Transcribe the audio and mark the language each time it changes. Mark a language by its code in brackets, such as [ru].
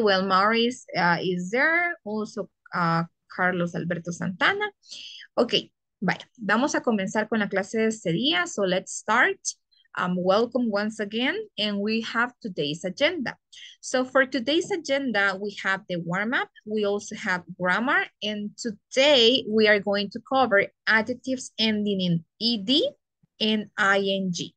[en] Well, Maurice, is there also Carlos Alberto Santana. [es] Okay, vaya, vamos a comenzar con la clase de este día. [en] So let's start. Welcome once again, and we have today's agenda. So for today's agenda, we have the warm-up. We also have grammar, and today we are going to cover adjectives ending in ed and ing.